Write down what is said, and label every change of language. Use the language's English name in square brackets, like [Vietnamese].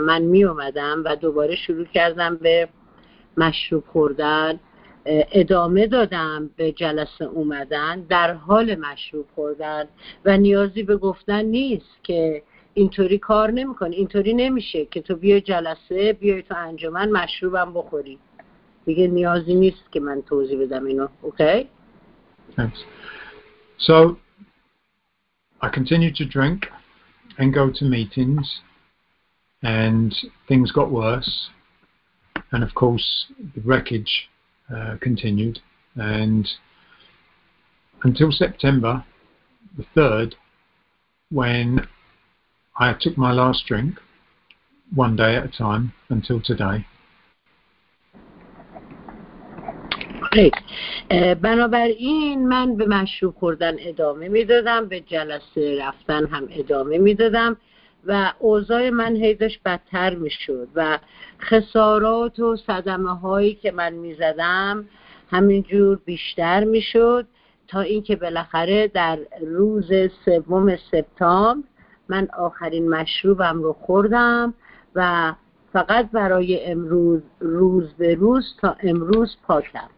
[Persian] من می اومدم و دوباره شروع کردم به مشروب خوردن، ادامه دادم به جلسه اومدن در حال مشروب خوردن و نیازی به گفتن نیست که اینطوری کار نمیکنه، اینطوری نمیشه که تو بیای جلسه، بیای تو انجمن، مشروبم بخوری. دیگه نیازی نیست که من توضیح بدم اینو. [English] Okay? Thanks. So I continued to drink and go to meetings and things got worse and of course the wreckage continued and until September the 3rd when I took my last drink one day at a time until today. [Persian] بنابراین من به مشروب خوردن ادامه میدادم، به جلسه رفتن هم ادامه میدادم و اوضاع من هی داشت بدتر میشد و خسارات و صدمه هایی که من میزدم همینجور بیشتر میشد تا اینکه بالاخره در روز سوم سپتامبر من آخرین مشروبم رو خوردم و فقط برای امروز روز به روز تا امروز پاکم.